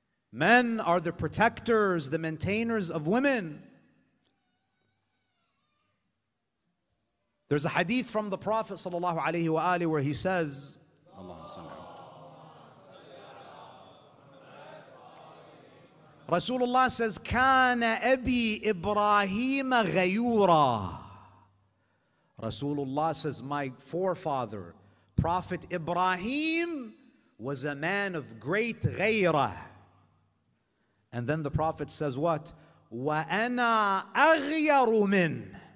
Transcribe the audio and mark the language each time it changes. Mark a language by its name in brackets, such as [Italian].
[English] Men are the protectors, the maintainers of women. There's a hadith from the Prophet sallallahu alayhi wa alihi where he says, [Arabic] Allahumma salli ala Muhammad. [English] Rasulullah says, [Arabic] كَانَ أَبِي إِبْرَاهِيمَ غَيُورًا. [English] Rasulullah says, my forefather, Prophet Ibrahim, was a man of great ghayrah. And then the Prophet says what? [Arabic] وَأَنَا أَغْيَرُ مِنْ.